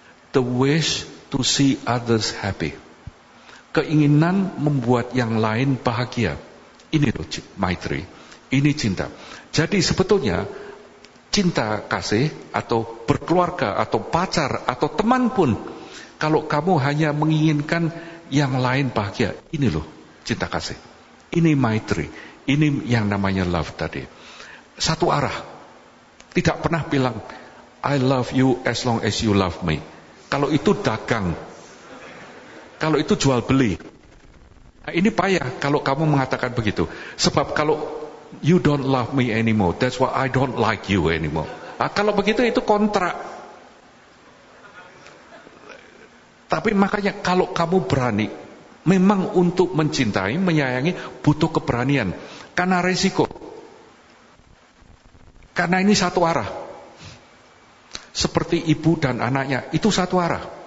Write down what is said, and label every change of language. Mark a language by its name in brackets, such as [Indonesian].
[English] The wish to see others happy. [Indonesian] Keinginan membuat yang lain bahagia. Ini loh maitri, ini cinta. Jadi sebetulnya cinta kasih atau berkeluarga atau pacar atau teman pun, kalau kamu hanya menginginkan yang lain bahagia, ini loh cinta kasih, ini maitri, ini yang namanya love tadi. Satu arah, tidak pernah bilang [English] I love you as long as you love me. [Indonesian] Kalau itu dagang, kalau itu jual beli, nah, ini payah kalau kamu mengatakan begitu. Sebab kalau [English] you don't love me anymore, that's why I don't like you anymore. [Indonesian] Nah, kalau begitu itu kontrak. Tapi makanya kalau kamu berani, memang untuk mencintai, menyayangi butuh keberanian. Karena resiko. Karena ini satu arah. Seperti ibu dan anaknya, itu satu arah.